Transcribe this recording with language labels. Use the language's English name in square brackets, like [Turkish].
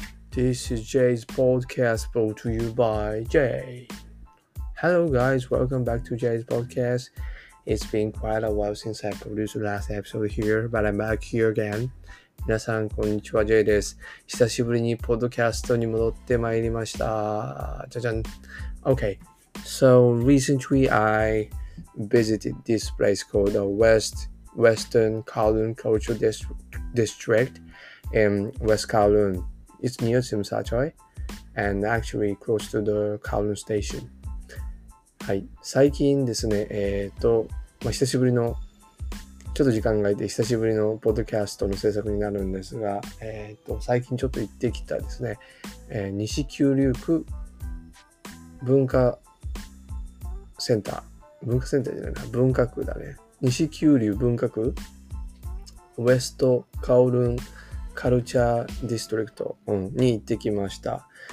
[English] This is Jay's podcast brought to you by Jay. Hello guys, welcome back to Jay's podcast. It's been quite a while since I produced the last episode here, but I'm back here again. [Japanese] 皆さん、こんにちは、Jay です。久しぶりにポッドキャストに戻ってまいりました。じゃじゃん。 [English] Okay, so recently I visited this place called the Western Kowloon Cultural District in West Kowloon. It's near Tsim Sha Tsui and actually close to the Kowloon Station. [Japanese] はい、最近ですね、まあ、久しぶりのちょっと時間が空いて久しぶりのポッドキャストの制作になるんですが、最近ちょっと行ってきたですね、西九龍区文化センター文化センターじゃないな文化区だね西九龍文化区ウェストカオルンカルチャーディストリクトに行ってきました。